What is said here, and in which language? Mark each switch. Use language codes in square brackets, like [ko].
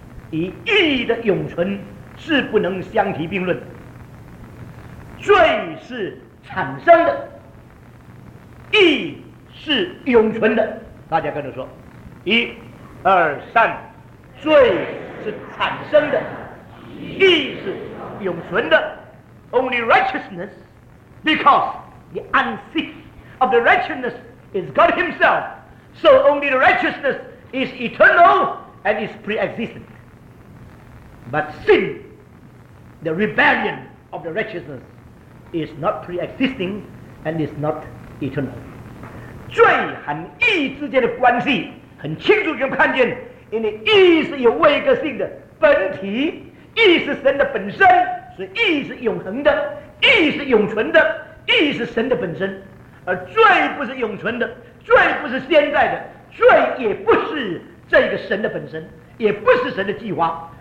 [zh] 以意义的永存是不能相提并论，罪是产生的，义是永存的。大家跟着说，一二三，罪是产生的，义是永存的。 [en] Only righteousness, because the unseat of the righteousness is God himself, so only the righteousness is eternal and is pre-existent. But sin, the rebellion of the righteousness, is not pre-existing and is not eternal. [zh] 罪和义之间的关系很清楚就看见，因为义是有位格性的本体，义是神的本身，所以义是永恒的，义是永存的，义是神的本身。而罪不是永存的，罪不是现在的，罪也不是这个神的本身，也不是神的计划。